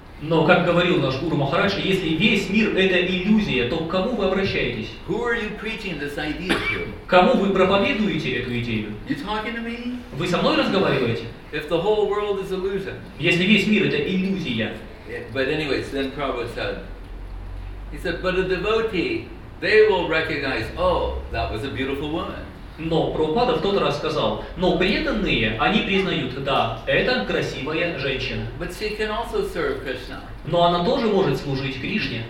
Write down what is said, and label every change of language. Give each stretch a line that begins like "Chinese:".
Russian: Но, как говорил наш Гуру Махарадж, если весь мир — это иллюзия, то к кому вы обращаетесь?
English: Who are you preaching this idea to?
Russian: Кому вы проповедуете эту идею?
English: You talking to me?
Russian: Вы со мной разговариваете?
English: If the whole world is illusion.
Russian: Если весь мир — это иллюзия.
English: But anyways, then Prabhupada said, he said, but a devotee, they will recognize, oh, that was a beautiful woman.
Russian: Но Прабхупада в тот раз сказал, но преданные, они признают, да, это красивая женщина.
English: But she can also serve Krishna.
Russian: Но она тоже может служить Кришне.